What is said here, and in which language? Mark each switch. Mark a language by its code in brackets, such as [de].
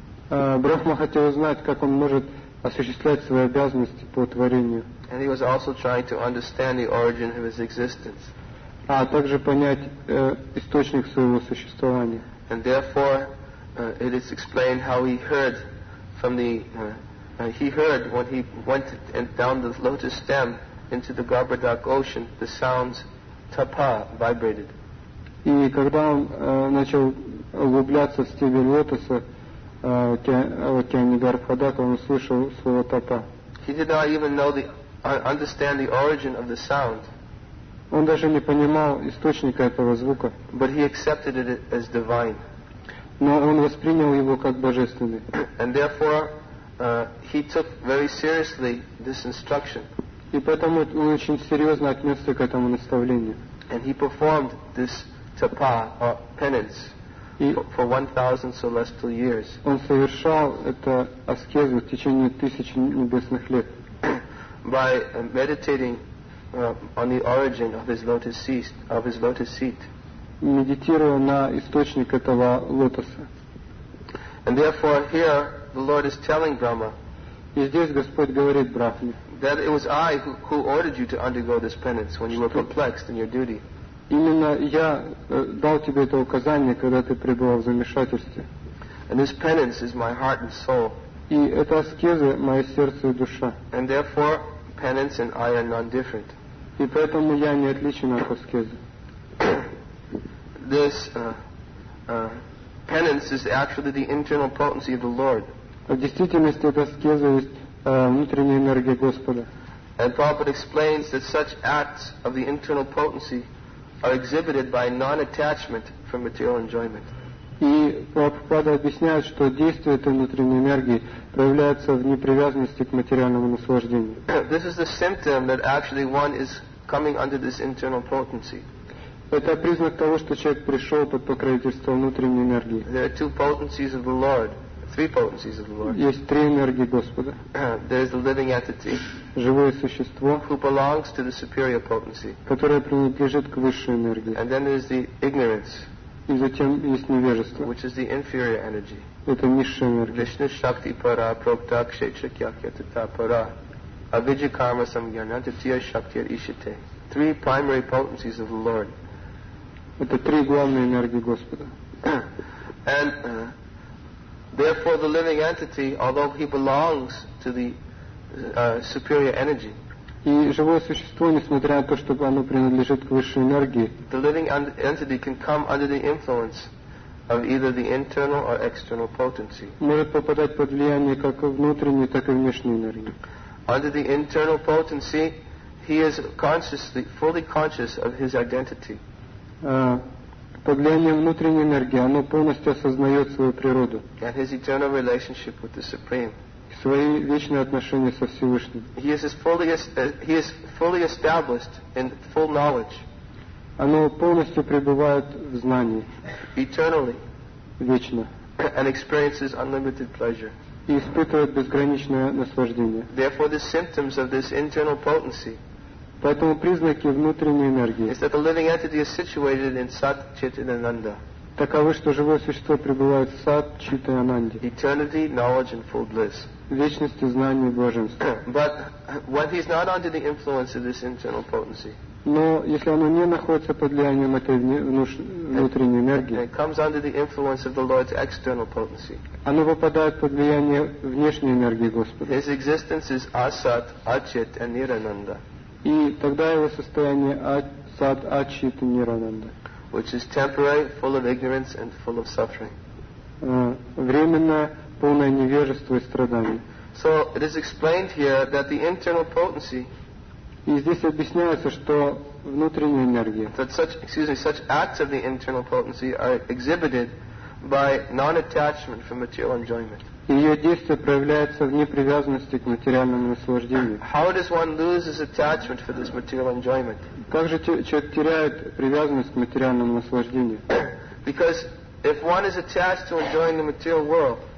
[ru] Брахма хотел узнать, как он может осуществлять свои обязанности по творению. [en] And he was also trying to understand the origin of his existence. [ru] А также понять источник своего существования. [en] And therefore, it is explained how he heard from the he heard when he went down the lotus stem into the Garbhodak ocean, the sounds tapa vibrated. [ru] И когда он начал углубляться в стебель лотоса в океане Гарбхадак, он услышал слово тапа. [en] He did not even know the understand the origin of the sound. [ru] Он даже не понимал источника этого звука. [en] But he accepted it as divine. [ru] Но он воспринял его как божественный. [en] And therefore, he took very seriously this instruction. [ru] И поэтому он очень серьезно отнесся к этому наставлению. [en] And he performed this tapa, or penance, for 1,000 celestial years. [ru] Он совершал это аскезу в течение тысячи небесных лет. [en] By meditating on the origin of his lotus seat, [ru] Медитируя на источник этого лотоса. [en] And therefore, here the Lord is telling Brahma. [ru] И здесь Господь говорит Брахме. [en] That it was I who ordered you to undergo this penance when you were perplexed in your duty. [ru] Именно я дал тебе это указание, когда ты пребывал в замешательстве. [en] And this penance is my heart and soul. [ru] И это аскеза мое сердце и душа. [en] And therefore, penance and I are non-different. [ru] И поэтому я не отличен от аскезы. [en] This penance is actually the internal potency of the Lord. [ru] В действительности это аскеза есть внутренняя энергия Господа. [en] And Prabhupada explains that such acts of the internal potency are exhibited by non-attachment from material enjoyment. [ru] И Прабхупада объясняет, что действие этой внутренней энергии проявляется в непривязанности к материальному наслаждению. [en] This is the symptom that actually one is coming under this internal potency. [ru] Это признак того, что человек пришел под покровительство внутренней энергии. [en] There are two potencies of the Lord, three potencies of the Lord. [ru] Есть три энергии Господа. [en] There is the living entity, [ru] живое существо, [en] who belongs to the superior potency, [ru] которое принадлежит к высшей энергии. [en] And then there is the ignorance, [ru] и затем есть невежество, [en] which is the inferior energy. [ru] Это низшая энергия. [sa] Кришна шакти пара прокта кшетра кьякья тата пара авиджи карма самьяна татия шакти ишите. [en] Three primary potencies of the Lord. [ru] Это три главные энергии Господа. [en] And therefore the living entity, although he belongs to the superior energy, [ru] и живое существо, несмотря на то, что оно принадлежит к высшей энергии, [en] the living entity can come under the influence of either the internal or external potency. [ru] Может попадать под влияние как внутренней, так и внешней энергии. [en] Under the internal potency, he is consciously, fully conscious of his identity. [ru] Под влиянием внутренней энергии оно полностью осознает свою природу. [en] And his eternal relationship with the Supreme. [ru] Свои вечные отношения со Всевышним. [en] He is fully established in full knowledge. [ru] Оно полностью пребывает в знании. [en] Eternally. [ru] Вечно. [en] And experiences unlimited pleasure. [ru] И испытывает безграничное наслаждение. [en] Therefore, the symptoms of this internal potency. [ru] Поэтому признаки внутренней энергии. [en] Is that the living entity is situated in Sat Chit Ananda. [ru] Таковы, что живое существо пребывает в Сат Чит Ананде. [en] Eternity, knowledge and full bliss. [ru] Вечности, знания и блаженства. [en] But when he's not under the influence of this internal potency. [ru] Но если оно не находится под влиянием этой внутренней энергии, [en] it comes under the influence of the Lord's external potency. [ru] Оно попадает под влияние внешней энергии Господа. [en] His existence is Asat, Achit and Nirananda. [ru] И тогда его состояние Сад, Ачит и Нирананда. [en] Which is temporary, full of ignorance and full of suffering. [ru] Временное, полное невежество и страдание. [en] So it is explained here that the internal potency. [ru] И здесь объясняется, что внутренняя энергия. [en] That such acts of the internal potency are exhibited by non-attachment from material enjoyment. [ru] Ее действие проявляется в непривязанности к материальному наслаждению. [en] How does one lose his attachment for this material enjoyment? [ru] Как же человек теряет привязанность к материальному наслаждению? [en] Because if one is attached to enjoying the material world,